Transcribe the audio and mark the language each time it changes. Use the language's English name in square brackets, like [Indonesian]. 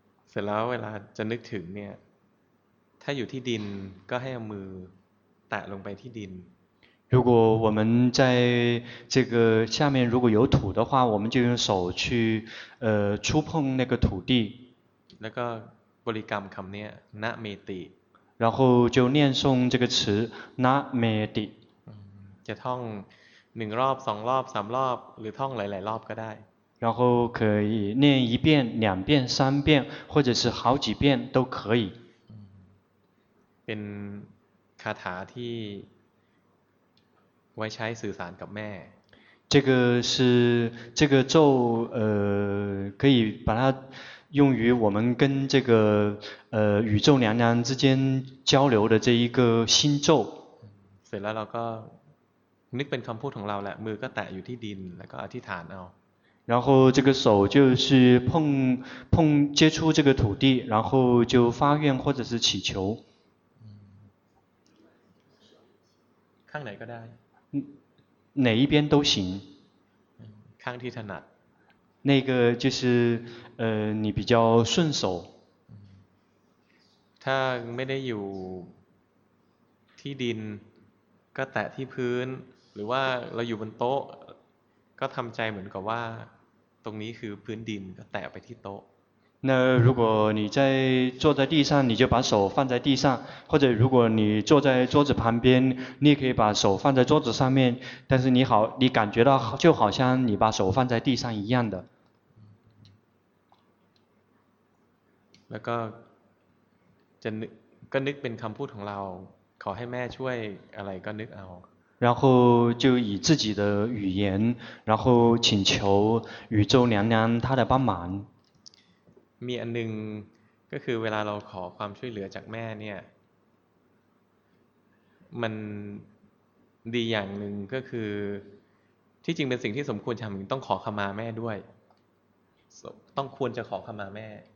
[Thai] เสร็จแล้วเวลาจะนึกถึงเนี่ยถ้าอยู่ที่ดินก็ให้มือแตะลงไปที่ดิน [Chinese] 如果我们在这个下面如果有土的话我们就用手去触碰那个土地 [Thai] แล้วก็บริกรรมคำเนี้ยนะเมติ [Chinese] 然后就念诵这个词นะเมติ [Thai] จะท่องหนึ่งรอบสองรอบสามรอบหรือท่องหลายๆรอบก็ได้ [Chinese] 然后可以念一遍两遍三遍或者是好几遍都可以 [Thai] เป็นคาถาที่ไว้ใช้สื่อสารกับแม่ [Chinese] 这个是这个咒可以把它用于我们跟这个宇宙娘娘之间交流的这一个心咒 [Thai] เสร็จแล้วเราก็นึกเป็นคำพูดของเราแหละมือก็แตะอยู่ที่ดินแล้วก็อธิษฐานเอา [Chinese] 然后这个手就是碰接触这个土地然后就发愿或者是祈求 [Thai] ข้างไหนก็ได้ [Chinese] 哪一边都行 [Thai] ข้างที่ถนัด [Chinese] 那个就是你比较顺手 [Thai] ถ้าไม่ได้อยู่ที่ดินก็แตะที่พื้นหรือว่าเราอยู่บนโต๊ะก็ทำใจเหมือนกับว่าตรงนี้คือพื้นดินก็แตะไปที่โต๊ะ [Chinese] 那如果你在坐在地上你就把手放在地上或者如果你坐在桌子旁边你也可以把手放在桌子上面但是你感觉到就好像你把手放在地上一样的 [Thai] แล้วก็จะนึกเป็นคำพูดของเราขอให้แม่ช่วยอะไรก็นึกเอา [Chinese] 然后就以自己的语言然后请求宇宙娘娘她的帮忙 [Thai] มีอันหนึ่งก็คือเวลาเราขอความช่วยเหลือจากแม่เนี่ยมันดีอย่างหนึ่งก็คือที่จริงเป็นสิ่งที่สมควรทำต้องขอขมาแม่ด้วยต้องควรจะขอขมาแม่